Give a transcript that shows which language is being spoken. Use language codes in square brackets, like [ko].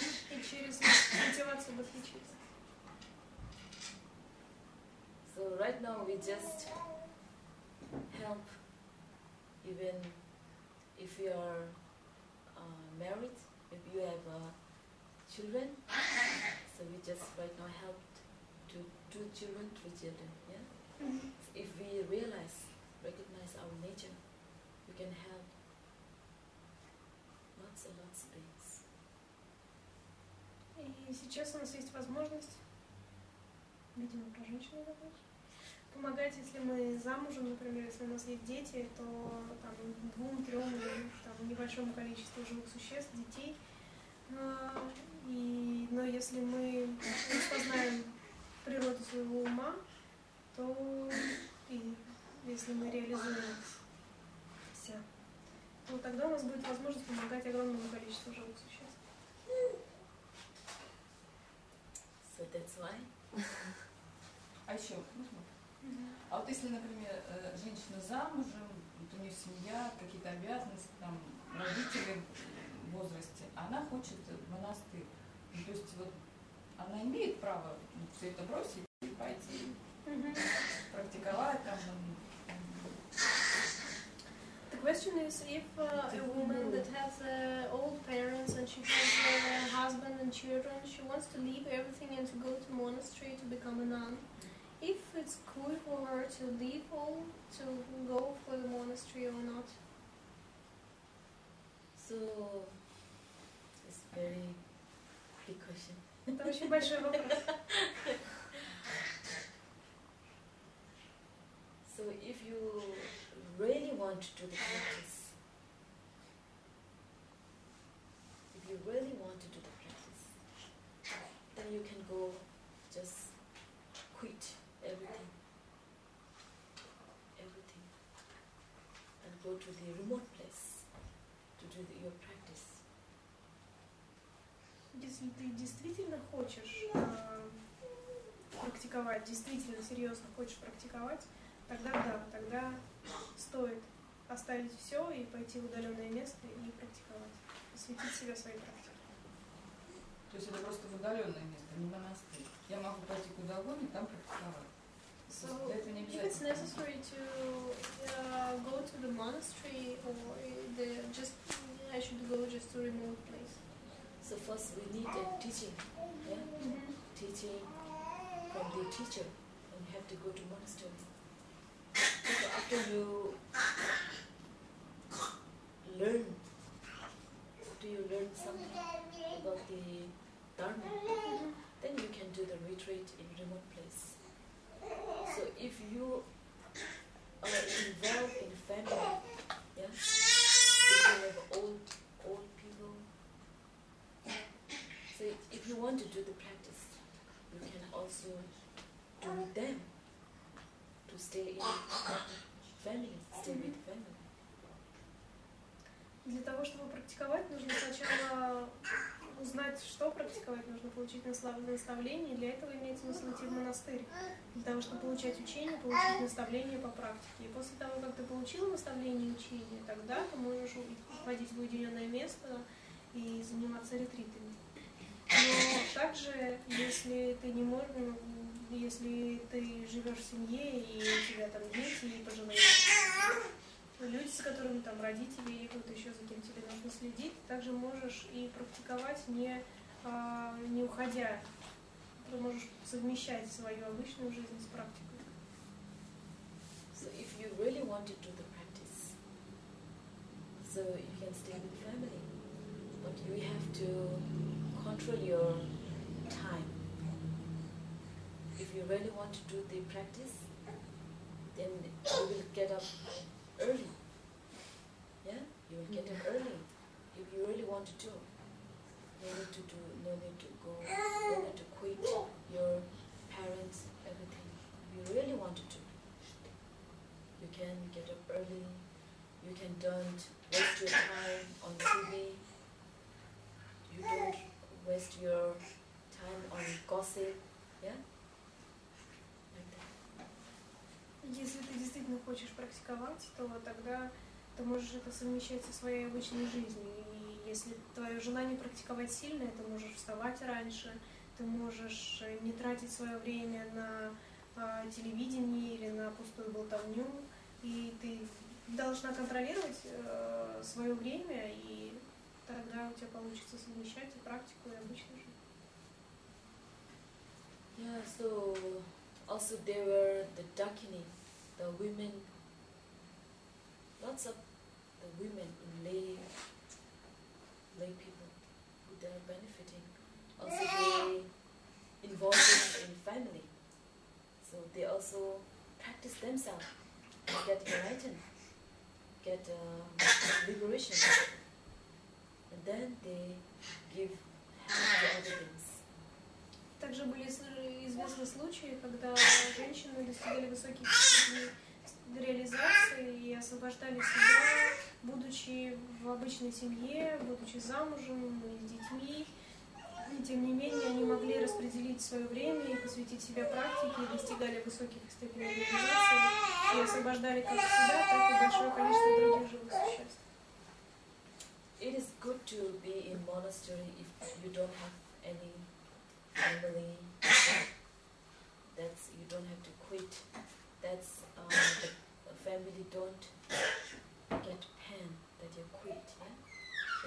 [ru] И через мотивацию Бодхи через. [en] So right now we just help, even if you are married, if you have children, so we just right now help to two children, three children, yeah? So if we realize, recognize our nature, we can help lots and lots of things. [ru] И сейчас у нас есть возможность, видимо, про женщину говорить. Помогать, если мы замужем, например, если у нас есть дети, то там двум, трем или там небольшому количеству живых существ, детей. Но если мы распознаем природу своего ума, то и если мы реализуем все, то тогда у нас будет возможность помогать огромному количеству живых существ. [en] So that's why. [ru] А еще А вот если, например, женщина замужем, вот у нее семья, какие-то обязанности, там, родители в возрасте, она хочет в монастырь. То есть вот она имеет право все это бросить и пойти практиковать там. [en] The question is, if a woman that has old parents and she has husband and children, she wants to leave everything and to go to monastery to become a nun. If it's cool for her to leave home, to go for the monastery or not? So, it's a very big question. [ru] Это очень большой вопрос. [en] So, if you really want to do the practice, if you really want to do the practice, then you can go just quit. Everything, and go to the remote place to do the, your practice. [ru] Если ты действительно хочешь практиковать, действительно серьезно хочешь практиковать, тогда да, тогда стоит оставить все и пойти в удаленное место и практиковать, посвятить себя своей практике. То есть это просто в удаленное место, не монастырь. Я могу пойти куда угодно и там практиковать. [en] So, if it's necessary to go to the monastery, or the just I should go just to a remote place. So first we need a teaching, yeah, teaching from the teacher, and you have to go to monastery. So after you learn, after you learn something about the Dharma, then you can do the retreat in a remote place. So if you are involved in family, yeah, if you have old people, so if you want to do the practice, you can also do with them to stay in family, stay with family. [ru] Для того, чтобы практиковать, нужно сначала узнать, что практиковать, нужно получить наставление, и для этого имеет смысл идти в монастырь. Для того, чтобы получать учение, получить наставление по практике. И после того, как ты получил наставление и учение, тогда ты можешь уходить в уединенное место и заниматься ретритами. Но также, если ты не можешь, если ты живешь в семье, и у тебя там дети и пожилые люди, с которыми там родители или кто-то еще, за кем тебе нужно следить, также можешь и практиковать, не уходя. Ты можешь совмещать свою обычную жизнь с практикой. [en] So if you really want to do the practice, so you can stay with family, but you have to control your time. If you really want to do the practice, then you will get up early. You will get up early. If you really want to do, no need to quit your parents, everything. If you really want to do, you can get up early, you can don't waste your time on TV, you don't waste your time on gossip, yeah? Like that. [ru] Если ты действительно хочешь практиковать, то тогда то можешь это совмещать со своей обычной жизнью. И если твоя жена не практиковать сильно, ты можешь вставать раньше, ты можешь не тратить свое время на телевидение или на пустую болтовню, и ты должна контролировать свое время, и тогда у тебя получится совмещать и практику, и обычную жизнь. [en] Yeah, so also there were the dakini, the women, lots of the women in lay people who they're benefiting. Also they involved in family. So they also practice themselves to get enlightened, get liberation. And then they give help to other things. [ru] Также были известны случаи, когда женщины достигали высоких степеней реализации и освобождали себя, будучи в обычной семье, будучи замужем и с детьми. И тем не менее они могли распределить свое время и посвятить себя практике, и достигали высоких степеней реализации и освобождали как себя, так и большое количество других живых существ. [en] It is good to be in monastery if you don't have any family. That's you don't have to quit. That's the family don't get pain that you quit. Yeah?